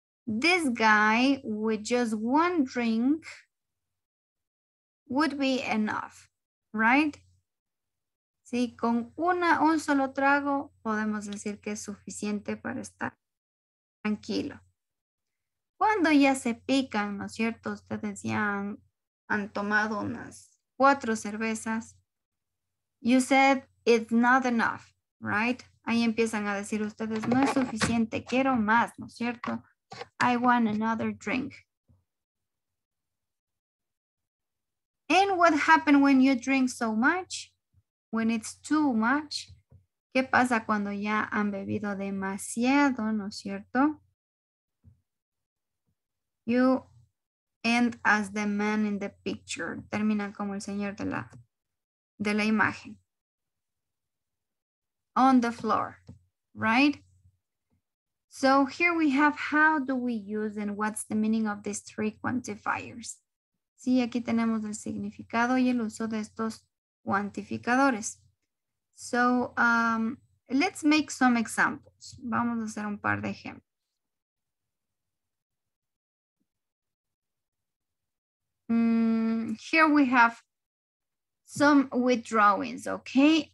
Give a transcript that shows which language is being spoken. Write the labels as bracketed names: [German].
[English] This guy with just one drink would be enough, right? [Spanish] Sí, con un solo trago podemos decir que es suficiente para estar tranquilo. Cuando ya se pican, ¿no es cierto? Ustedes ya han tomado unas cuatro cervezas. [English] You said it's not enough, right? [Spanish] Ahí empiezan a decir ustedes, no es suficiente, quiero más, ¿no es cierto? [English] I want another drink. And what happened when you drink so much? When it's too much? [Spanish] ¿Qué pasa cuando ya han bebido demasiado, ¿no es cierto? [English] You end as the man in the picture. [Spanish] Terminan como el señor de la imagen. [English] On the floor, right? So here we have how do we use and what's the meaning of these three quantifiers. [Spanish] Sí, aquí tenemos el significado y el uso de estos cuantificadores. [English] So let's make some examples. [Spanish] Vamos a hacer un par de ejemplos. [English] Here we have some withdrawings, okay?